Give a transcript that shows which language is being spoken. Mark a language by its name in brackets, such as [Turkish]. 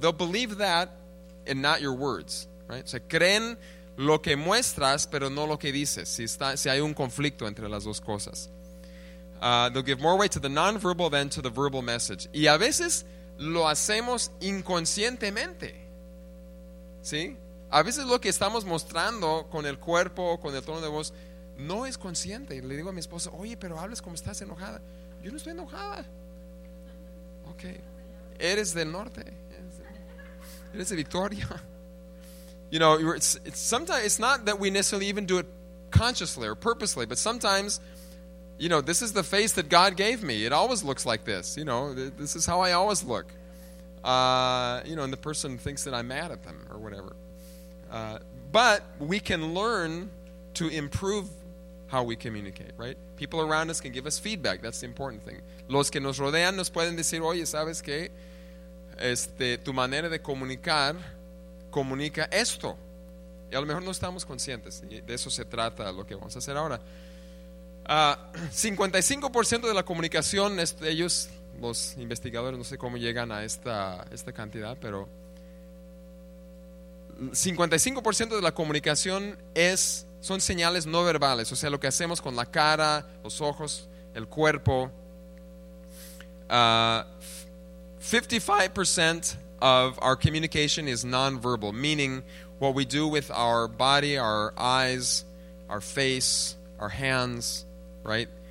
[English] They'll believe that and not your words, right? [Spanish] Se creen lo que muestras, pero no lo que dices. Si hay un conflicto entre las dos cosas. [English] They'll give more weight to the nonverbal than to the verbal message. [Spanish] Y a veces lo hacemos inconscientemente. ¿Sí? A veces lo que estamos mostrando con el cuerpo, con el tono de voz, no es consciente. Le digo a mi esposa, oye, pero hablas como estás enojada. Yo no estoy enojada. Ok. Eres del norte. Eres de Victoria. [English] You know, it's sometimes it's not that we necessarily even do it consciously or purposely, but sometimes, you know, this is the face that God gave me. It always looks like this. You know, this is how I always look. You know, and the person thinks that I'm mad at them or whatever. But we can learn to improve how we communicate, right? People around us can give us feedback. That's the important thing. [Spanish] Los que nos rodean nos pueden decir, oye, ¿sabes qué? Tu manera de comunicar comunica esto. Y a lo mejor no estamos conscientes. De eso se trata lo que vamos a hacer ahora. 55% de la comunicación, ellos, los investigadores, no sé cómo llegan a esta cantidad, pero 55% de la comunicación son señales no verbales, o sea, lo que hacemos con la cara, los ojos, el cuerpo. 55% [English] of our communication is nonverbal, meaning what we do with our body, our eyes, our face, our hands, right?